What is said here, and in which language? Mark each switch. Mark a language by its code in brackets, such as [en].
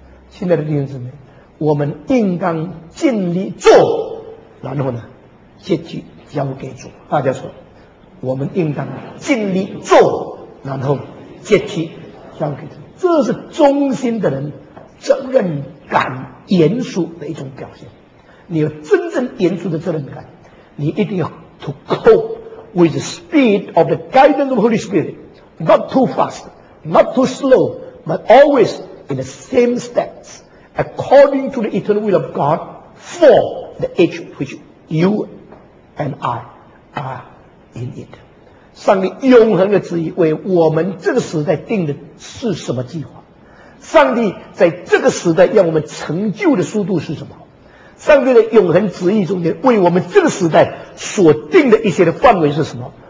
[zh] 亲爱的弟兄姊妹，我们应当尽力做，然后呢结局交给主。大家说，我们应当尽力做，然后结局交给主。这是忠心的人责任感严肃的一种表现。你有真正严肃的责任感，你一定要 [en] to cope with the speed of the guidance of Holy SpiritNot too fast, not too slow, but always in the same steps, according to the eternal will of God for the age which You and I are in it. [zh] 上帝永恒的旨意为我们这个时代定的是什么计划？上帝在这个时代让我们成就的速度是什么？上帝的永恒旨意中间为我们这个时代所定的一些的范围是什么？